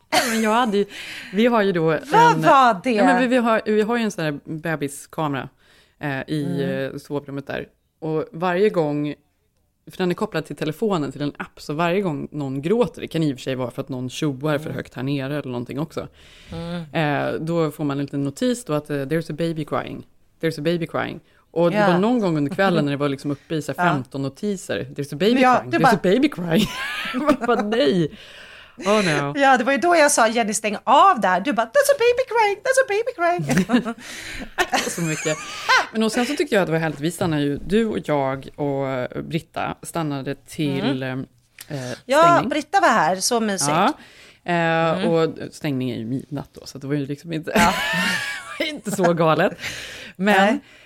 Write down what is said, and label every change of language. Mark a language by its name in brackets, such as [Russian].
[Swedish] Men jag hade ju, vi har ju då vi har ju en sån här bebiskamera i sovrummet där, och varje gång, för den är kopplad till telefonen, till en app, så varje gång någon gråter, det kan i och för sig vara för att någon tjoar för högt här nere eller någonting också, då får man en liten notis då att [English] there's a baby crying. [Swedish] Och det var någon gång under kvällen när det var liksom uppe i så 15 notiser, [English] there's a baby crying. [Swedish] Bara, nej. [English] Oh no. [Swedish] Ja, det var ju då jag sa, Jenny, stäng av där. Du bara, [English] that's a baby crying. [Swedish] Så mycket. Men och sen så tyckte jag att det var helt, vi stannade ju, du och jag och Britta stannade till stängning. Ja, Britta var här, så mysigt. Ja, och stängning är ju midnatt då, så det var ju liksom inte, inte så galet. Men... Nej.